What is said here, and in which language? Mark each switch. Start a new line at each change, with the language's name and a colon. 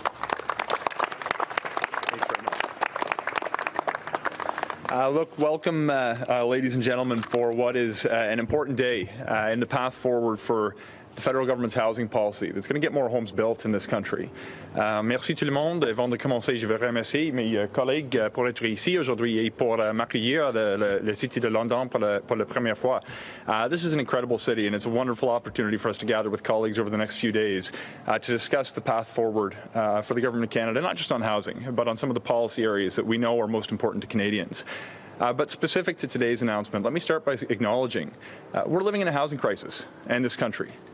English: Thanks very much. Look, welcome, ladies and gentlemen, for what is an important day in the path forward for the federal government's housing policy that's going to get more homes built in this country.
French: Merci tout le monde. Avant de commencer, je veux remercier mes collègues pour être ici aujourd'hui et pour m'accueillir le City de London pour la première fois.
English: This is an incredible city, and it's a wonderful opportunity for us to gather with colleagues over the next few days to discuss the path forward for the Government of Canada, not just on housing, but on some of the policy areas that we know are most important to Canadians. But specific to today's announcement, let me start by acknowledging we're living in a housing crisis in this country.